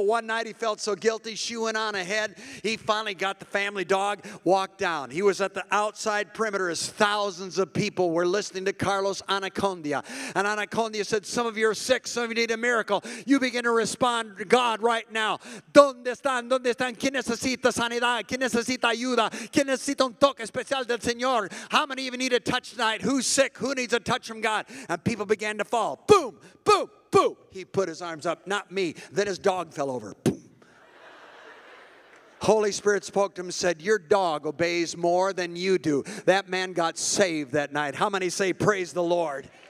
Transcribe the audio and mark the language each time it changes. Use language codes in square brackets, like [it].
[en] One night he felt so guilty. She went on ahead. He finally got the family dog, walked down. He was at the outside perimeter as thousands of people were listening to Carlos Anacondia. And Anacondia said, some of you are sick. Some of you need a miracle. You begin to respond to God right now. [es] ¿Dónde están? ¿Dónde están? ¿Quién necesita sanidad? ¿Quién necesita ayuda? ¿Quién necesita un toque especial del Señor? [en] How many of you need a touch tonight? Who's sick? Who needs a touch from God? And people began to fall. Boom, boom, boom. He put his arms up. Not me. Then his dog fell over. Boom. Holy Spirit spoke to him and said, your dog obeys more than you do. That man got saved that night. How many say praise the Lord?